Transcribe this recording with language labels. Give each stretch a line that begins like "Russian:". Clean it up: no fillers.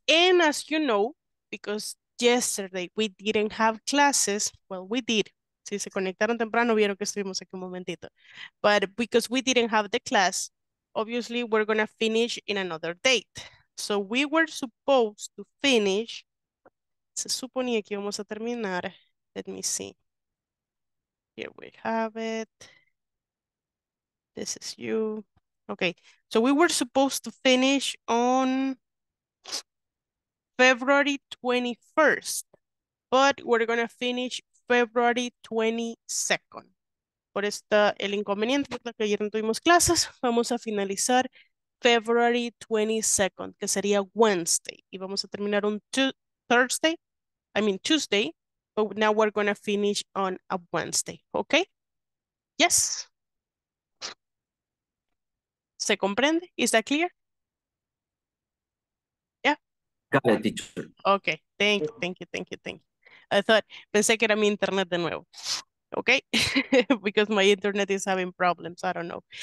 English: And as you know, because yesterday we didn't have classes, well, we did.
Spanish: Si se conectaron temprano, vieron que estuvimos aquí un momentito.
English: But because we didn't have the class, obviously, we're going to finish in another date. So we were supposed to finish.
Spanish: Se suponía que íbamos a terminar.
English: Let me see. Here we have it. This is you. Okay. So we were supposed to finish on February 21st. But we're going to finish February 22nd.
Spanish: Por esta, el inconveniente de que ayer no tuvimos clases, vamos a finalizar
English: February 22nd,
Spanish: que sería Wednesday. Y vamos a terminar un
English: Tuesday, but now we're going to finish on a Wednesday. Okay? Yes?
Spanish: ¿Se comprende?
English: Is that clear? Yeah? Got it, teacher. Okay, thank you. I thought,
Spanish: pensé que era mi internet de nuevo.
English: Okay, because my internet is having problems, I don't know.